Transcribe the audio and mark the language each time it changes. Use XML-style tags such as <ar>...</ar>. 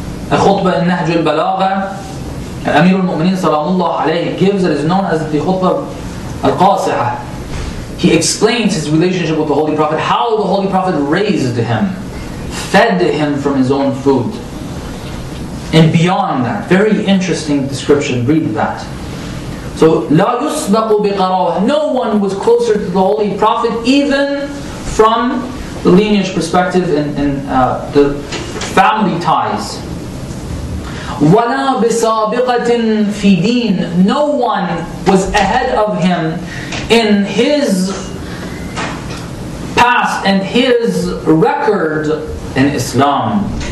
<en>A khutbah in Nahj al-Balagha, Amir al-Mu'mineen sallallahu alayhi gives, that is known as the khutbah al-Qasihah. He explains his relationship with the Holy Prophet, how the Holy Prophet raised him, fed him from his own food. And beyond that, very interesting description, read that.</en> <ar>So, لَا يُسْبَقُ بِقَرَوَهُ.</ar> <en>No one was closer to the Holy Prophet, even from the lineage perspective and the family ties.</en> <ar>وَلَا بِسَابِقَةٍ فِي دِينٍ.</ar> <en>No one was ahead of him in his past and his record in Islam.</en>